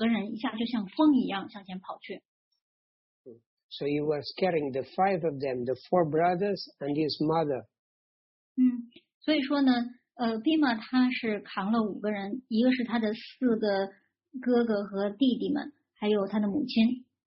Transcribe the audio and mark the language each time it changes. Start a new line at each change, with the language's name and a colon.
Chinese: 扛在了他自己的这个身上，然后他们五个人一下就像风一样向前跑去。
English: So he was carrying the five of them, the four brothers and his mother.
Chinese: 所以说呢，Bhima 他是扛了五个人，一个是他的四个哥哥和弟弟们，还有他的母亲。